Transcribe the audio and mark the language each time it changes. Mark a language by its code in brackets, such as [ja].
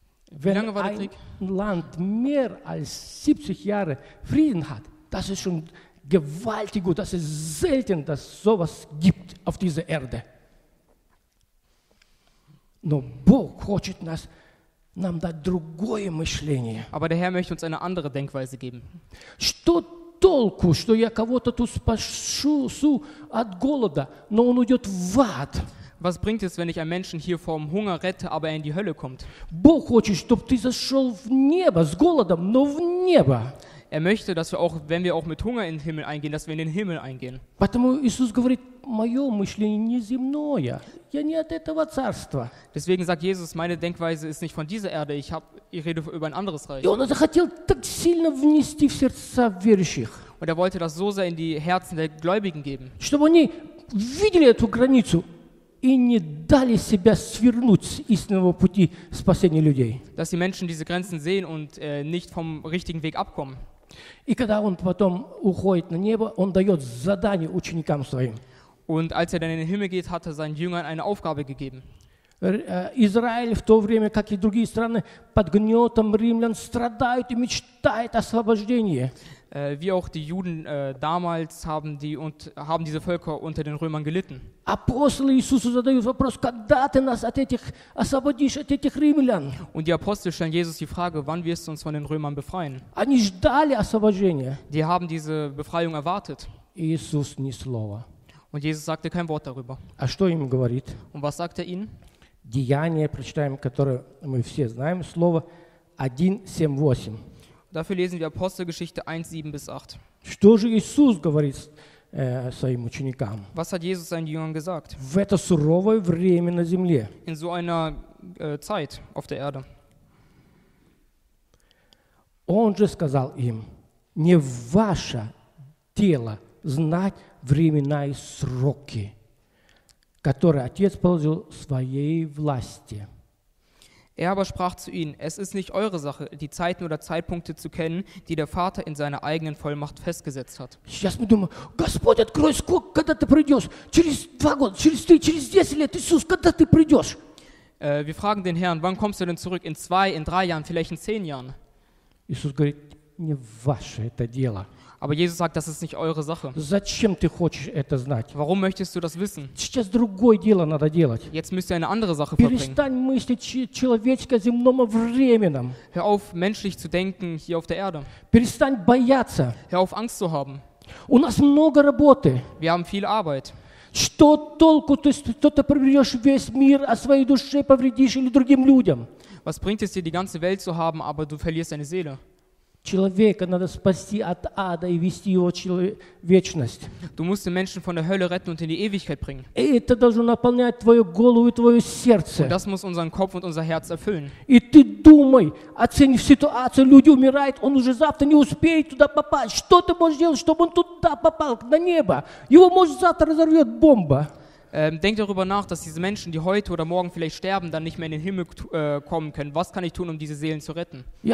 [de] Wie lange war der Krieg? Wenn ein Land mehr als 70 Jahre Frieden hat, das ist schon gewaltig und das ist selten, dass sowas gibt auf dieser Erde. [ru] Но Бог хочет нас нам дать другое мышление. [de] Aber der Herr möchte uns eine andere Denkweise geben. [ru] Что толку, что я кого-то тут спасу от голода, но он уйдет в ад? [de] Was bringt es, wenn ich einen Menschen hier vom Hunger rette, aber er in die Hölle kommt? [ru] Бог хочет, чтобы ты зашел в небо с голодом, но в небо. [de] Er möchte, dass wir auch, wenn wir auch mit Hunger in den Himmel eingehen, dass wir in den Himmel eingehen. [ru] Потому Иисус говорит, мое мышление не земное, я не от этого царства. [de] Deswegen sagt Jesus, meine Denkweise ist nicht von dieser Erde, ich rede über ein anderes Reich. [ru] И он это хотел так сильно внести в сердца верующих. [de] Und er wollte das so sehr in die Herzen der Gläubigen geben. [ru] Чтобы они видели эту границу и не дали себя свернуть с истинного пути спасения людей. [de] Dass die Menschen diese Grenzen sehen und nicht vom richtigen Weg abkommen. [ru] И когда он потом уходит на небо, он дает задание ученикам своим. [de] Und als er dann in den Himmel geht, hat er seinen Jüngern eine Aufgabe gegeben. [ru] Израиль в то время, как и другие страны, под гнетом римлян страдают и мечтают о освобождении. [de] Wie auch die Juden damals haben diese Völker unter den Römern gelitten. [ru] Апостолы Иисусу задают вопрос, когда ты нас от этих освободишь, от этих римлян? [de] Und die Apostel stellen Jesus die Frage, wann wirst du uns von den Römern befreien? [ru] Они ждали освобождения. [de] Die haben diese Befreiung erwartet. [ru] Иисус ни слова. [de] Und Jesus sagte kein Wort darüber. [ru] А что ему говорит? [de] Und was sagt er ihnen? [ru] Деяния, прочитаем, которые мы все знаем, слово 1:7-8. [de] Dafür lesen wir Apostelgeschichte 1:7-8. [ru] Что же Иисус говорит своим ученикам? [de] Was hat Jesus seinen Jüngern gesagt? [ru] В это суровое время на земле. [de] In so einer Zeit auf der Erde. [ru] Он же сказал им, не ваше дело знать времена и сроки, которые Отец положил своей власти. [de] Er aber sprach zu ihnen: Es ist nicht eure Sache, die Zeiten oder Zeitpunkte zu kennen, die der Vater in seiner eigenen Vollmacht festgesetzt hat. [ru] Сейчас мы думаем: Господь, открой, сколько, когда ты придешь? Через два года, через три, через десять лет, Иисус, когда ты придешь? [de] Wir fragen den Herrn: Wann kommst du denn zurück? In zwei, in drei Jahren, vielleicht in zehn Jahren? [ru] Иисус говорит: Не ваше это дело. [de] Aber Jesus sagt, das ist nicht eure Sache. [ru] Зачем ты хочешь это знать? [de] Warum möchtest du das wissen? [ru] Сейчас другое дело надо делать. [de] Jetzt müsst ihr eine andere Sache verbringen. [ru] Перестань мыслить человеческое земное временем. [de] Hör auf, menschlich zu denken hier auf der Erde. [ru] Перестань бояться. [de] Hör auf, Angst zu haben. [ru] У нас много работы. [de] Wir haben viel Arbeit. [ru] Что толку, что ты приведешь весь мир, а своей душе повредишь или другим людям? [de] Was bringt es dir, die ganze Welt zu haben, aber du verlierst deine Seele? [ru] Человека надо спасти от ада и вести его вечность. [de] Du musst den Menschen von der Hölle retten und in die Ewigkeit bringen. [ru] И это должно наполнять твою голову и твое сердце. [de] Und das muss unseren Kopf und unser Herz erfüllen. [ru] И ты думай, оцени ситуацию, люди умирают, он уже завтра не успеет туда попасть. Что ты можешь сделать, чтобы он туда попал, на небо? Его может завтра разорвет бомба. [de] Denk darüber nach, dass diese Menschen, die heute oder morgen vielleicht sterben, dann nicht mehr in den Himmel kommen können. Was kann ich tun, um diese Seelen zu retten?